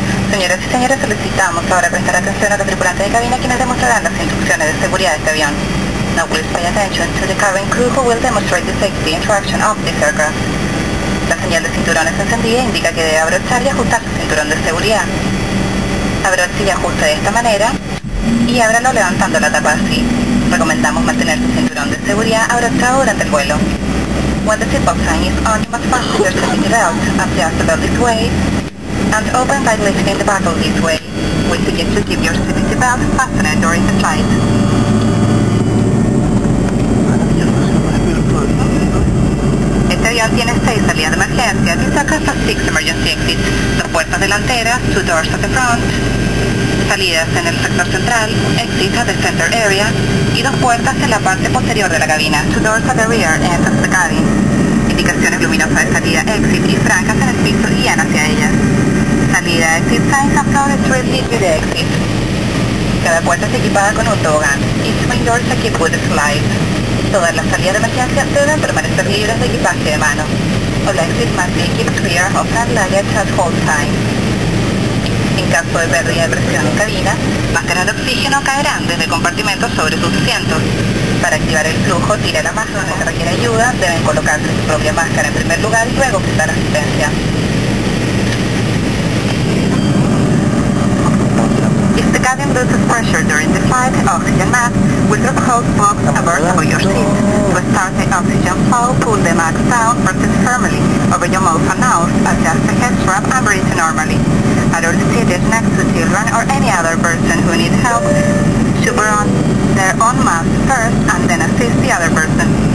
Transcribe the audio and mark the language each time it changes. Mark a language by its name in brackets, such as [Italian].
[Spanish] Señoras y señores, solicitamos ahora prestar atención a los tripulantes de cabina, quienes demostrarán las instrucciones de seguridad de este avión. [English] Now please pay attention to the cabin crew, who will demonstrate the safety instruction of this aircraft. [Spanish] La señal de cinturones encendida indica que debe abrochar y ajustar su cinturón de seguridad. Abroche y ajuste de esta manera, y ábralo levantando la tapa así. Recomendamos mantener su cinturón de seguridad abrochado durante el vuelo. [English] When the seatbelt sign is on, you must fasten your seat belt, adjust the belt this way, and open by lifting the buckle this way. We suggest to keep your safety belt fastened during the flight. [Spanish] Este avión tiene 6 salidas de emergencia, y saca hasta 6 [English] emergency exits. [Spanish] 2 puertas delanteras, [English] 2 doors at the front, [Spanish] salidas en el sector central, [English] exits at the center area, [Spanish] y 2 puertas en la parte posterior de la cabina, [English] 2 doors at the rear end of the cabin. [Spanish] Indicaciones luminosas de salida, exit y franjas en el piso guían hacia ellas. [English] Salida, exit signs and floor strips lead you to exit. [Spanish] Cada puerta es equipada con un tobogán. [English] Each main door is equipped with a slide. [Spanish] Todas las salidas de emergencia deben permanecer libres de equipaje de mano. [English] All exits must be kept clear of hand luggage at all times. [Spanish] En caso de pérdida de presión en cabina, máscaras de oxígeno caerán desde compartimentos sobre sus asientos. Para activar el flujo, tire la máscara donde se requiere ayuda, deben colocarse su propia máscara en primer lugar y luego prestar asistencia. [English] If the cabin loses pressure during the flight, oxygen mask will drop hold box above your seat. To start the oxygen flow, pull the mask down, press it firmly over your mouth and nose, adjust the head strap and breathe normally. Adults seated next to children or any other person who needs help should put on their own mask first and then assist the other person.